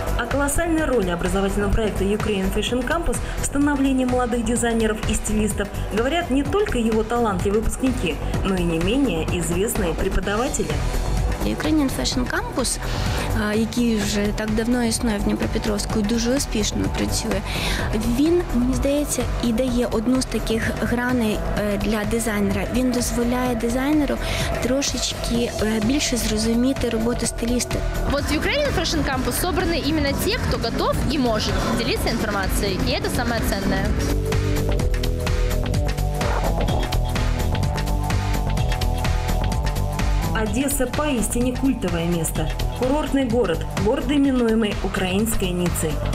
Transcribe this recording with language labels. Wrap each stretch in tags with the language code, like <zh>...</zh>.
<ru>Колоссальная роль образовательного проекта Ukrainian Fashion Campus в становлении молодых дизайнеров и стилистов говорят не только его талантливые выпускники, но и не менее известные преподаватели.</ru> <uk>Ukrainian Fashion Campus, який вже так давно існує в Дніпропетровську, дуже успішно працює. Він, мені здається, і дає одну з таких граней для дизайнера. Він дозволяє дизайнеру трошечки більше зрозуміти роботу стиліста.</uk> <ru>Вот в Ukrainian Fashion Campus собраны именно те, кто готов и может делиться информацией, и это самое ценное. Одесса – поистине культовое место. Курортный город, гордо именуемый украинской Ниццей.</ru>